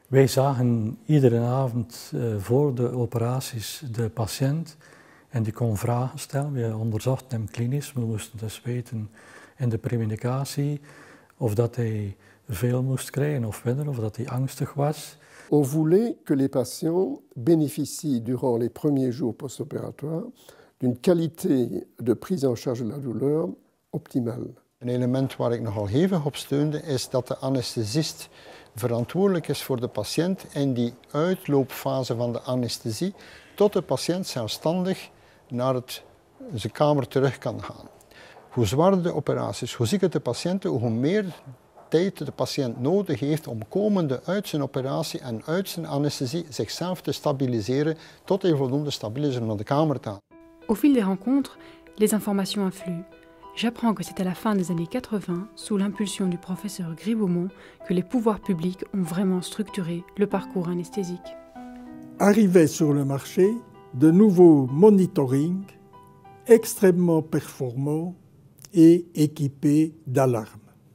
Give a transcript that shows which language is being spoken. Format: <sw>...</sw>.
<nl>Wij zagen iedere avond voor de operaties de patiënt en die kon vragen stellen. We onderzochten hem klinisch, we moesten dus weten in de premedicatie of dat hij veel moest krijgen of minder, of dat hij angstig was.</nl> <fr>On voulait que les patients bénéficient durant les premiers jours post-opératoires d'une qualité de prise en charge de la douleur optimale.</fr> <nl>Een element waar ik nogal hevig op steunde is dat de anesthesist verantwoordelijk is voor de patiënt in die uitloopfase van de anesthesie tot de patiënt zelfstandig naar zijn kamer terug kan gaan. Hoe zwaarder de operaties, hoe zieker de patiënten, hoe meer tijd de patiënt nodig heeft om komende uit zijn operatie en uit zijn anesthesie zichzelf te stabiliseren tot hij voldoende stabiel is om naar de kamer te gaan.</nl> <fr>Au fil des rencontres, les informations affluent. J'apprends que c'est à la fin des années 80, sous l'impulsion du professeur Gribaumont, que les pouvoirs publics ont vraiment structuré le parcours anesthésique. Arrivaient sur le marché de nouveaux monitoring extrêmement performants et équipés d'alarmes.</fr>